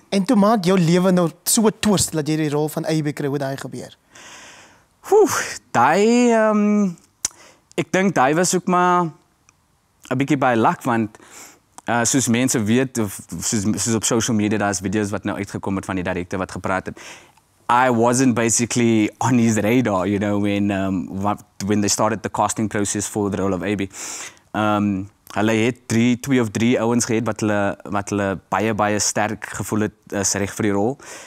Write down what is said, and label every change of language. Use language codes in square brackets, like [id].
[af] En toe maak jou lewe nou so 'n twist dat jy die rol van Abby kry, hoe daai gebeur. Ek dink daai was ook maar 'n bietjie by luck, want soos mense weet of soos op social media daar's video's wat nou uitgekom het van die direkte wat gepraat het. [en] I wasn't basically on his radar, you know, when they started the casting process for the role of Abby. [af] Hulle het 2 of 3 ouens gehad wat hulle baie sterk gevoel het as reg vir die rol.